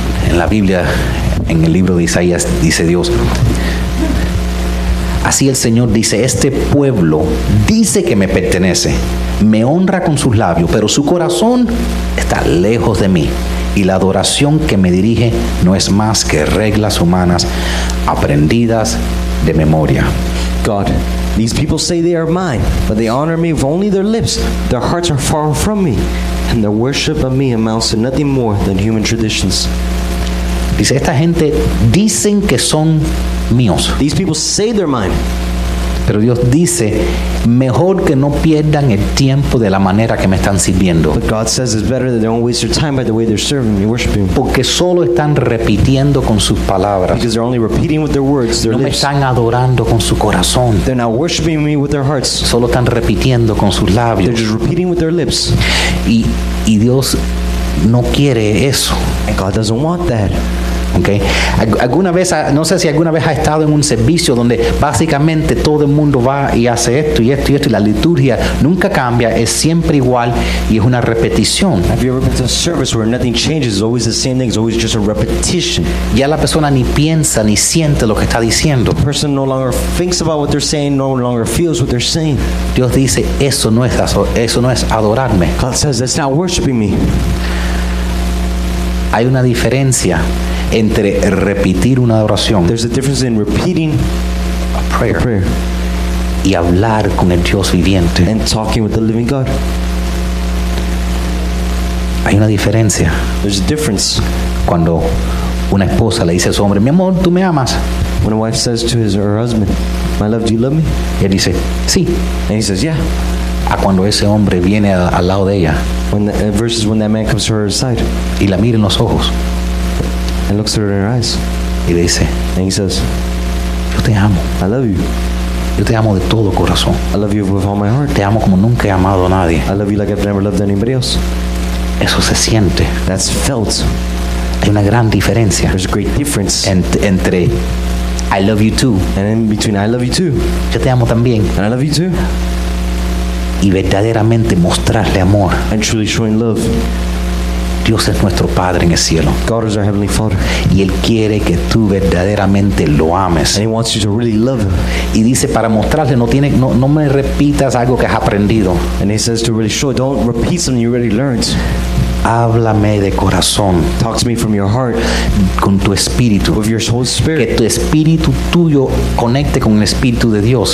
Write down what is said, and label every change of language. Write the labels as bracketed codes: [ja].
[es] En la Biblia, en el libro de Isaías, dice Dios, así el Señor dice, este pueblo dice que me pertenece, me honra con sus labios, pero su corazón está lejos de mí, y la adoración que me dirige no es más que reglas humanas aprendidas de memoria. [en] God, these people say they are mine, but they honor me with only their lips. Their hearts are far from me, and their worship of me amounts to nothing more than human traditions. [es] Dice, esta gente dicen que son míos. [en] These people say they're mine. [es] Pero Dios dice, mejor que no pierdan el tiempo de la manera que me están sirviendo. [en] But God says it's better that they don't waste their time by the way they're serving me, worshiping. [es] Porque solo están repitiendo con sus palabras. [en] Because they're only repeating with their words, their lips. [es] No me están adorando con su corazón. [en] They're not worshiping me with their hearts. [es] Solo están repitiendo con sus labios. [en] They're just repeating with their lips. [es] Y Dios no quiere eso. [en] And God doesn't want that. Okay. [es] Alguna vez, no sé si alguna vez ha estado en un servicio donde básicamente todo el mundo va y hace esto y esto y esto y la liturgia nunca cambia, es siempre igual y es una repetición. [en] Have you ever been to a service where nothing changes? It's always the same thing. It's always just a repetition. [es] Ya la persona ni piensa ni siente lo que está diciendo. [en] The person no longer thinks about what they're saying, no longer feels what they're saying. [es] Dios dice, eso no es adorarme. [en] God says, that's not worshiping me. [es] Hay una diferencia entre repetir una oración. [en] There's a difference in repeating a prayer. A prayer. [es] Y hablar con el Dios viviente. [en] And talking with the living God. [es] Hay una diferencia. [en] There's a difference. [es] Cuando una esposa le dice a su hombre, mi amor, ¿tú me amas? [en] When a wife says to her husband, my love, do you love me? [es] Y él dice, sí. [en] And he says, yeah. [es] A cuando ese hombre viene al lado de ella. [en] Versus when that man comes to her side. [es] Y la mira en los ojos. [en] And looks her in her eyes. [es] Y le dice. [en] And he says. [es] Yo te amo. [en] I love you. [es] Yo te amo de todo corazón. [en] I love you with all my heart. [es] Te amo como nunca he amado a nadie. [en] I love you like I've never loved anybody else. [es] Eso se siente. [en] That's felt. [es] Hay una gran diferencia. [en] There's a great difference. Entre I love you too. And in between I love you too. [es] Yo te amo también. [en] And I love you too. [es] Y verdaderamente mostrarle amor. [en] And truly showing love. [es] Dios es nuestro Padre en el cielo. [en] God is our Heavenly Father. [es] Y Él quiere que tú verdaderamente lo ames. [en] And He wants you to really love Him. [es] Y dice, para mostrarle, no me repitas algo que has aprendido. [en] And He says to really show, don't repeat something you already learned. [es] Háblame de corazón. [en] Talk to me from your heart. [es] Con tu espíritu. [en] With your whole spirit. [es] Que tu espíritu tuyo conecte con el espíritu de Dios.